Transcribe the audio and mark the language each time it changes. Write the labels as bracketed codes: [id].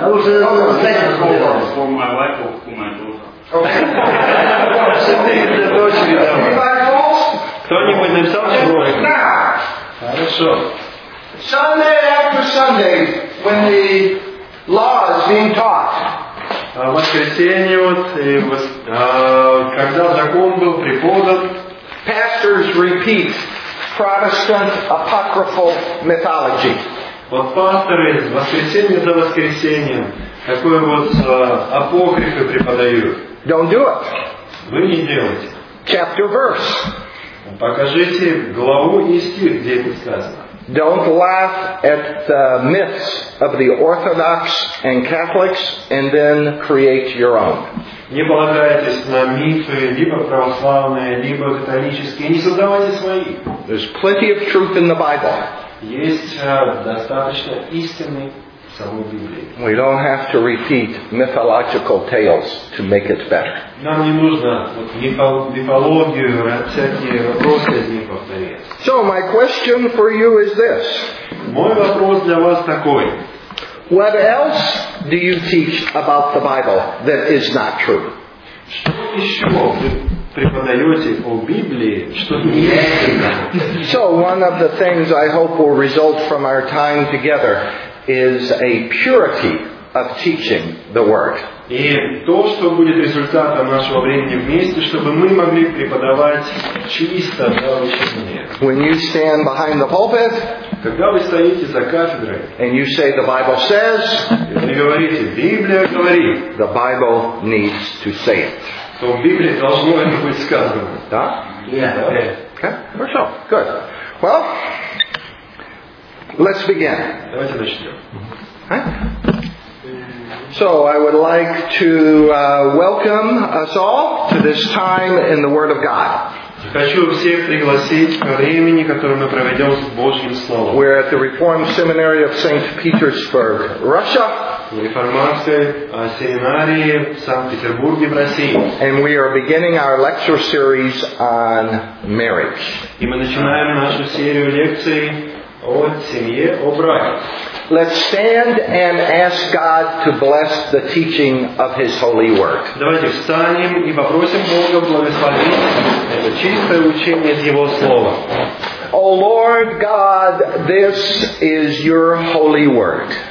[en] For my wife or Anybody false? [ru] Кто-нибудь написал что? Nah. Хорошо. [en] Sunday after Sunday, when the law is being taught. [ru] Воскресенье вот и когда закон был преподан. [en] Pastors repeat Protestant apocryphal mythology. [ru] Вот пасторы воскресенье за воскресеньем такой вот апокрифы преподают. [en] Don't do it. [ru] Вы не делайте. [en] Chapter verse. [ru] Покажите главу и стих, где это сказано. [en] Don't laugh at the myths of the Orthodox and Catholics and then create your own. [ru] Не полагайтесь на мифы либо православные, либо католические. Не создавайте свои. [en] There's plenty of truth in the Bible. [ru] Есть достаточно истины в самой Библии. [en] We don't have to repeat mythological tales to make it better. [ru] Нам не нужно мифологию, всякие вопросы из них повторять. [en] So my question for you is this. [ru] Мой вопрос для вас такой. [en] What else do you teach about the Bible that is not true? [ru] Что еще вы преподаете о Библии, что не истинно? [en] So one of the things I hope will result from our time together is a purity of teaching the Word. [ru] И то, что будет результатом нашего времени вместе, чтобы мы могли преподавать чисто учение. [en] When you stand behind the pulpit, [ru] когда вы стоите за кафедрой, [en] and you say the Bible says, [ru] вы говорите, Библия говорит, [en] the Bible needs to say it. [ru] То в Библии должно это быть сказано. Да? [en] Yeah. Okay. [ru] Хорошо. [en] Good. Well, let's begin. [ru] Давайте начнем. [en] So I would like to welcome us all to this time in the Word of God. [ru] Хочу всех пригласить к времени, которое мы проведем с Божьим Словом. [en] We're at the Reformed Seminary of St. Petersburg, Russia. [ru] В Реформатской семинарии в Санкт-Петербурге, в России. [en] And we are beginning our lecture series on marriage. [ru] И мы начинаем нашу серию лекций о семье, о браке. [en] Let's stand and ask God to bless the teaching of His holy word. [ru] Давайте встанем и попросим Бога благословить это чистое учение из Его слова. [en] O Lord God, this is Your holy word.